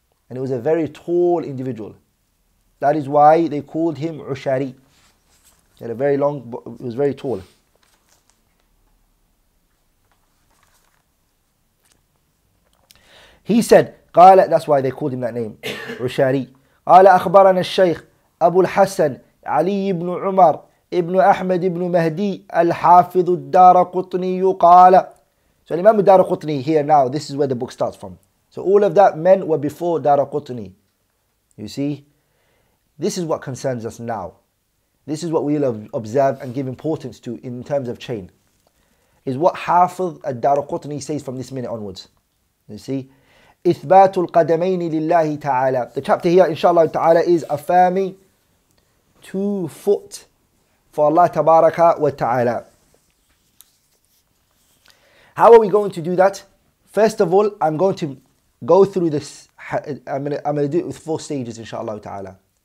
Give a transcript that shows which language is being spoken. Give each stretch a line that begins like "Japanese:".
English: And he was a very tall individual. That is why they called him Ushari. He had a very long, he was very tall. He said,
Arabic: قال,
English: that's why they called him that name, Ushari.
Arabic: قال أخبرنا الشيخ أبو الحسن علي بن عمر ابن أحمد بن مهدي الحافظ الدار قطني قال.
English: So Imam الدار قطني here now, this is where the book starts from. So all of that men were before دار قطني. You see, this is what concerns us now. This is what we'll observe and give importance to in terms of chain. Is what حافظ الدار قطني says from this minute onwards. You see,
Arabic: إثبات القدمين لله تعالى.
English: The chapter here, inshallah ta'ala, is affirming two foot for Allah tabaraka wa ta'ala. How are we going to do that? First of all, I'm going to go through this. I'm going to do it with four stages, inshallah ta'ala.